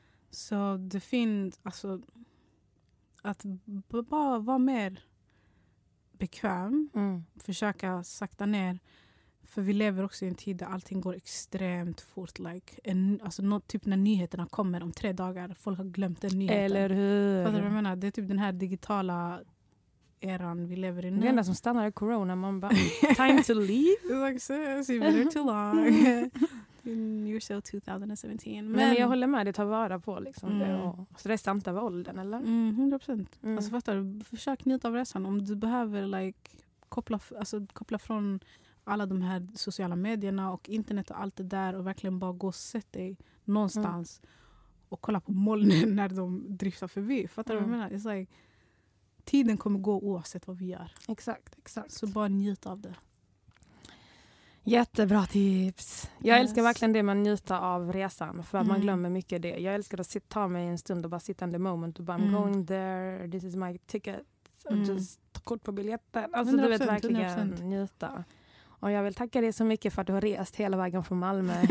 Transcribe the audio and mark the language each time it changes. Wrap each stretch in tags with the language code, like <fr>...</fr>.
<sv>Så det finns, alltså, att bara vara mer bekväm, försöka sakta ner, för vi lever också i en tid där allting går extremt fort, like, typ när nyheterna kommer om 3 dagar, folk har glömt den nyheten. Eller hur? Fattar du vad jag menar? Det är typ den här digitala eran vi lever i nu. Det enda som stannar är corona, man bara,</sv> <en>time to leave? It's like, sis, you've been there too long. You're so 2017.</en> <sv>Men jag håller med, det tar vara på liksom, det. Så det är sant av åldern, eller? Mm, 100%. Mm. Alltså, fattar du? Försök njuta av resan. Om du behöver like, koppla från alla de här sociala medierna och internet och allt det där och verkligen bara gå och sätt dig någonstans och kolla på molnen när de driftar förbi. Fattar du vad jag menar?</sv> <en>It's like,</en> <sv>tiden kommer gå oavsett vad vi gör. Exakt, exakt. Så bara njuta av det. Jättebra tips. Jag älskar verkligen det man njuter av resan. För att man glömmer mycket det. Jag älskar att ta mig en stund och bara sitta</sv> <en>in the moment.</en> <sv>Och bara,</sv> <en>I'm going there, this is my ticket.</en> <sv>Just ta kort på biljetten. Alltså 100%, du vet verkligen 100%. Njuta. Och jag vill tacka dig så mycket för att du har rest hela vägen från Malmö hit.</sv>